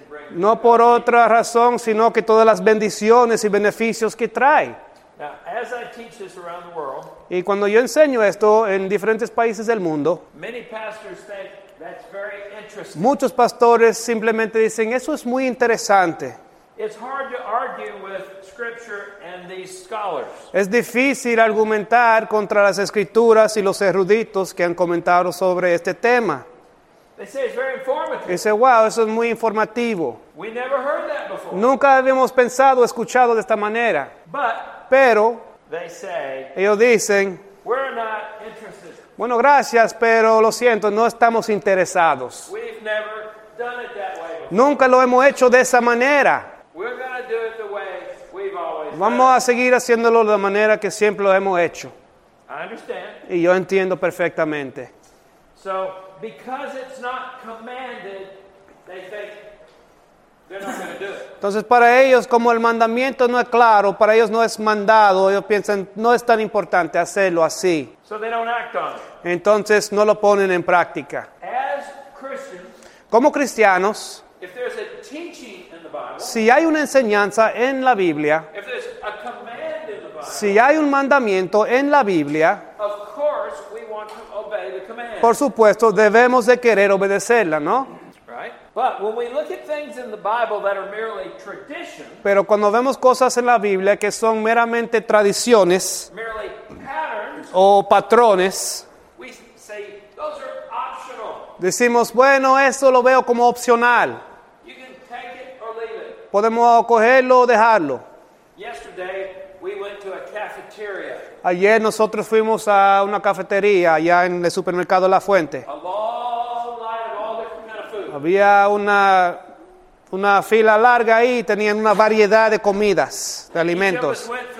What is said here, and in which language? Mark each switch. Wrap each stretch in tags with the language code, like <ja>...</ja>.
<es>No por otra razón, sino que todas las bendiciones y beneficios que trae.</es> <en>Now, as I teach this around the world,</en> <es>y cuando yo enseño esto en diferentes países del mundo,</es> <en>many pastors think that's very interesting.</en> <es>Muchos pastores simplemente dicen, eso es muy interesante.</es> <en>It's hard to argue with scripture and these scholars.</en> <es>Es difícil argumentar contra las escrituras y los eruditos que han comentado sobre este tema.</es> <en>They say it's very informative.</en> <es>Dice, wow, eso es muy informativo.</es> <en>We never heard that before.</en> <es>Nunca habíamos pensado, escuchado de esta manera.</es> <en>But,</en> <es>pero,</es> <en>they say,</en> <es>ellos dicen,</es> <en>we're not interested.</en> <es>Bueno, gracias, pero lo siento, no estamos interesados.</es> <en>We've never done it that way before.</en> <es>Nunca lo hemos hecho de esa manera.</es> <en>We're gonna do it the way we've always</en> <es>vamos</es> <en>done.</en> <es>A seguir haciéndolo de la manera que siempre lo hemos hecho.</es> <en>I understand.</en> <es>Y yo entiendo perfectamente.</es> <en>So, because it's not commanded, they think they're not going to do it.</en> <es>Entonces, para ellos, como el mandamiento no es claro, para ellos no es mandado, ellos piensan, no es tan importante hacerlo así.</es> <en>So they don't act on it.</en> <es>Entonces, no lo ponen en práctica.</es> <en>As Christians,</en> <es>como cristianos,</es> <en>if there's a teaching in the Bible,</en> <es>si hay una enseñanza en la Biblia,</es> <en>if there's a command in the Bible,</en> <es>si hay un mandamiento en la Biblia,</es> <en>of course we want to obey the command.</en> <es>Por supuesto, debemos de querer obedecerla, ¿no?</es> <en>But when we look at things in the Bible that are merely tradition,</en> <es>pero cuando vemos cosas en la Biblia que son meramente tradiciones,</es> <en>merely patterns,</en> <es>o patrones,</es> <en>we say those are optional.</en> <es>Decimos, bueno, eso lo veo como opcional.</es> <en>You can take it or leave it.</en> <es>Podemos cogerlo o dejarlo.</es> <en>Yesterday we went to a cafeteria.</en> <es>Ayer nosotros fuimos a una cafetería allá en el supermercado La Fuente.</es> <en>A long line of all different kind of food.</en> <es>Había una fila larga ahí, tenían una variedad de comidas, de alimentos.</es>